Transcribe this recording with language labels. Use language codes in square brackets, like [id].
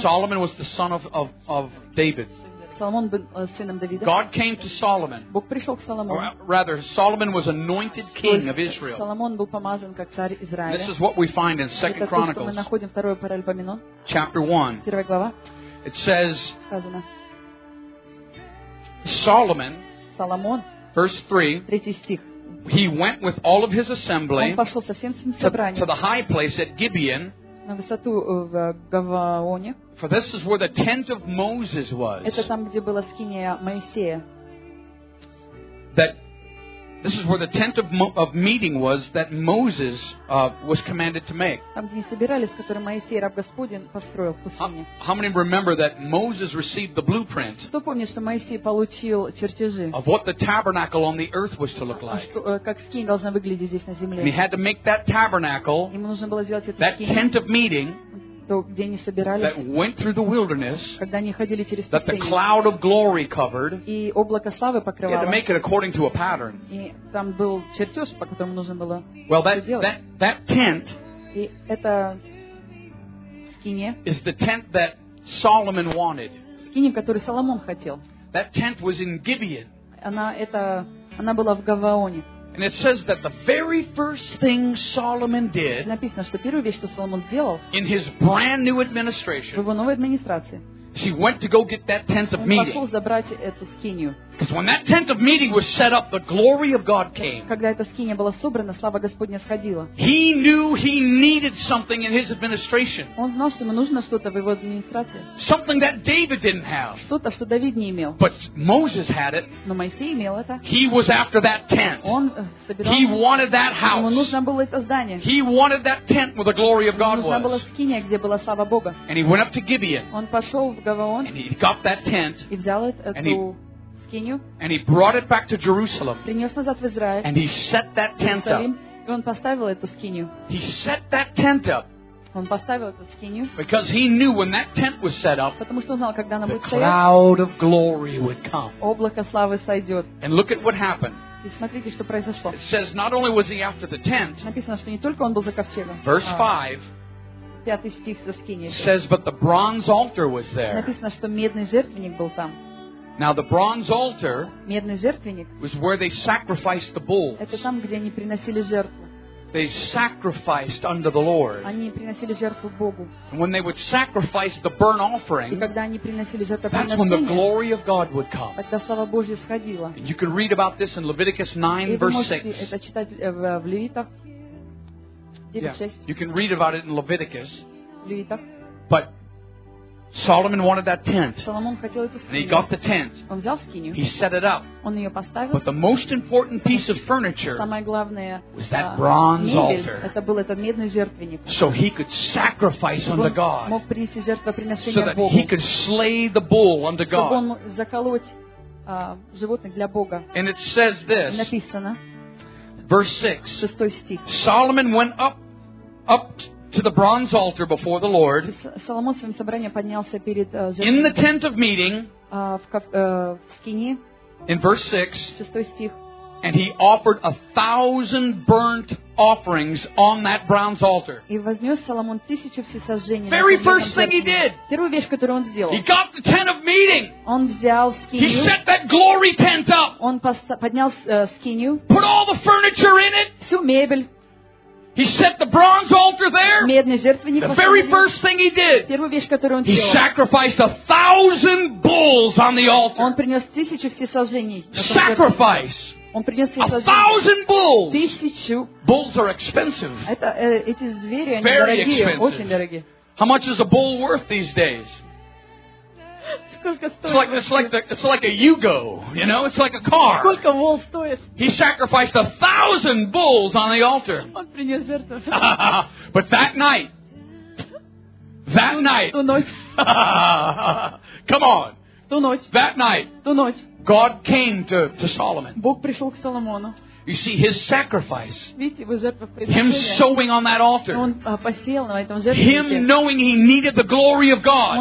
[en] Solomon was the son of David. [ru] Соломон был сыном Давида. [en] God came to Solomon. [ru] Бог пришел к Соломону. [en] Rather, Solomon was anointed king of Israel. [ru] Соломон был помазан как царь Израиля. [en] This is what we find in 2 Chronicles. [ru] Это то, что мы находим второе Паралипоменон. [en] Chapter 1. [ru] Первая глава. [en] It says, [ru] сказано, [en] Solomon verse 3, he went with all of his assembly to the high place at Gibeon, for this is where the tent of Moses was, that This is where the tent of meeting was that Moses was commanded to make. [ru] Там, где собирались, который Моисей, раб Господень, построил в пустыне. [en] How many remember that Moses received the blueprint? [ru] Кто помнит, что Моисей получил чертежи? [en] Of what the tabernacle on the earth was to look like. [ru] Как скинь должна выглядеть здесь на земле. [en] He had to make that tabernacle. [ru] Ему нужно было сделать этот [en] скинь. That tent of meeting. [ru] То, где они собирались, [en] that went through the wilderness, [ru] когда они ходили через пустыню, [en] that the cloud of glory covered, [ru] и облако славы покрывало, [en] you had to make it according to a pattern. [ru] И там был чертеж, по которому нужно было [en] well, [ru] это делать. [en] That tent, [ru] и это скиния, [en] is the tent that Solomon wanted. [ru] Скиния, которую Соломон хотел. [en] That tent was in Gibeon. [ru] Она была в Гаваоне. [en] And it says that the very first thing Solomon did [ru] написано, что первая вещь, что Соломон сделал, [en] in his brand new administration, [ru] в его новой администрации, [en] he went to go get that tent of meeting. [ru] Он пошел забрать эту скинию. [en] Because when that tent of meeting was set up, the glory of God came. [ru] Когда эта скиния была собрана, слава Господня сходила. [en] He knew he needed something in his administration. [ru] Он знал, что ему нужно что-то в его администрации. [en] Something that David didn't have. [ru] Что-то, что Давид не имел. [en] But Moses had it. [ru] Но Моисей имел это. [en] He was after that tent. [ru] Он собирал. [en] He wanted that house. [ru] Ему нужно было это здание. [en] He wanted that tent where the glory of God was. [ru] Ему нужна была скиния, где была слава Бога. [en] And he went up to Gibeon. [ru] Он пошел в Гаваон. [en] And he got that tent. [ru] И взял эту. [en] And he brought it back to Jerusalem. [ru] Принёс назад в Израиль. [en] And he set that tent up. [ru] И он поставил эту скинию. [en] He set that tent up. [ru] Он поставил эту скинию. [en] Because he knew when that tent was set up. [ru] Потому что знал, когда она будет стоять. [en] The cloud of glory would come. [ru] Облако славы сойдёт. [en] And look at what happened. [ru] И смотрите, что произошло. [en] It says not only was he after the tent. [ru] Написано, что не только он был за ковчегом. [en] Verse 5. [ru] Пятый стих со скинией. [en] Says but the bronze altar was there. [ru] Написано, что медный жертвенник был там. [en] Now the bronze altar, [ru] медный жертвенник, [en] was where they sacrificed the bulls. [ru] Это там, где они приносили жертву. [en] They sacrificed unto the Lord. [ru] Они приносили жертву Богу. [en] And when they would sacrifice the burnt offering, [ru] и когда они приносили жертвоприношение, [en] that's when the glory of God would come. [ru] Тогда слава Божья сходила. [en] And you can read about this in Leviticus 9, verse 6. [ru] И вы можете это читать в Левитах. [en] Yeah. You can read about it in Leviticus. [ru] Левитах. [en] But Solomon wanted that tent. [ru] Соломон хотел эту скинию. [en] And he got the tent. [ru] Он взял скинию. [en] He set it up. [ru] Он её поставил. [en] But the most important piece of furniture, [ru] самое главное, [en] was that bronze altar. [ru] Это был этот медный жертвенник. [en] So he could sacrifice unto God. [ru] Мог принести жертвоприношение [en] Богу. So that he could slay the bull unto God. [ru] Чтобы он заколоть животных для Бога. [en] And it says this. [ru] Написано. [en] Verse 6. [ru] Шестой стих. [en] Solomon went up to the bronze altar before the Lord. [ru] Соломон своим собранием поднялся перед [en] in the tent of meeting. [ru] В скинии. [en] In verse 6. [ru] Шестой стих. [en] And he offered 1,000 burnt offerings on that bronze altar. [ru] И вознёс Соломон 1,000 всесожжений. [en] Very first thing he did. [ru] Первую вещь, которую он сделал. [en] He got the tent of meeting. [ru] Он взял скинию. [en] He set that glory tent up. [ru] Он поднял скинию. [en] Put all the furniture in it. [ru] Всю мебель. [en] He set the bronze altar there. [ru] Медный жертвенник. [en] The very first thing he did. [ru] Первую вещь, которую он сделал. [en] He sacrificed 1,000 bulls on the altar. [ru] Он принёс 1,000 всесожжений. [en] Sacrifice. [ru] Он принёс всесожжения. [en] 1,000 bulls. [ru] 1,000. [en] Bulls are expensive. [ru] Это эти звери, они дорогие, очень дорогие. [en] How much is a bull worth these days? It's like a Yugo, you know? It's like a car. [ru] Сколько волк стоит? [en] He sacrificed 1,000 bulls on the altar. [ru] Он принёс жертву. [en] But that night. That night. [ru] Ту ночь. [en] Come on. [ru] Ту ночь. [en] That night. [ru] Ту ночь. [en] God came to Solomon. [ru] Бог пришёл к Соломону. [en] You see his sacrifice. [ru] Видите, его жертвоприношение. [en] Him sowing on that altar. [ru] Он посеял на этом жертвеннике. [en] Him knowing he needed the glory of God.